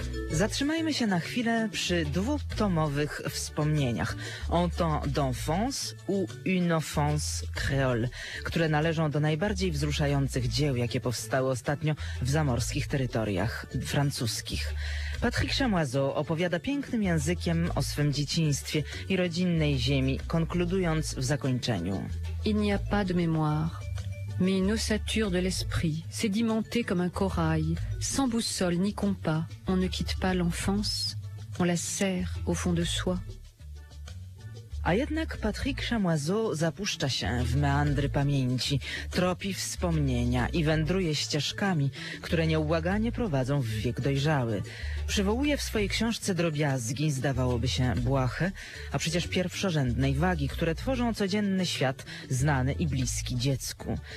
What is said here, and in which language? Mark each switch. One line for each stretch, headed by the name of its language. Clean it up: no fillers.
Polish: Zatrzymajmy się na chwilę przy dwutomowych wspomnieniach En temps d'enfance ou Une enfance créole, które należą do najbardziej wzruszających dzieł, jakie powstały ostatnio w zamorskich terytoriach francuskich. Patrick Chamoiseau opowiada pięknym językiem o swym dzieciństwie i rodzinnej ziemi, konkludując w zakończeniu.
French: Il n'y a pas de mémoire, mais une ossature de l'esprit, sédimentée comme un corail. Sans boussole ni compas, on ne quitte pas l'enfance, on la serre au fond de soi.
Polish: A jednak Patrick Chamoiseau zapuszcza się w meandry pamięci, tropi wspomnienia i wędruje ścieżkami, które nieubłaganie prowadzą w wiek dojrzały. Przywołuje w swojej książce drobiazgi, zdawałoby się błahe, a przecież pierwszorzędnej wagi, które tworzą codzienny świat znany i bliski dziecku.